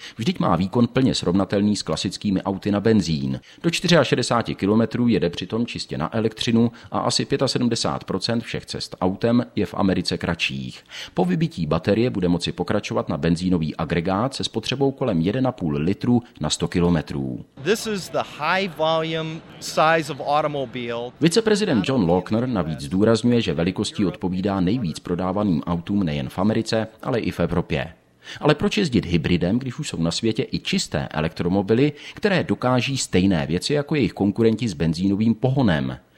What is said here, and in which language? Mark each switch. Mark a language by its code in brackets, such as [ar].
[cs] Vždyť má výkon plně srovnatelný s klasickými auty na benzín. Do 64 km jede přitom čistě na elektřinu a asi 75% všech cest autem je v Americe kratších. Po vybití baterie bude moci pokračovat na benzínový agregát se spotřebou kolem 1,5 litru na 100 km. [en] This is the high volume size of automobile. [cs] Viceprezident John Lochner navíc zdůrazňuje, že velikostí odpovídá nejvíc prodávaným autům nejen v Americe, ale i v Evropě. Ale proč jezdit hybridem, když už jsou na světě i čisté elektromobily, které dokáží stejné věci jako jejich konkurenti s benzínovým pohonem?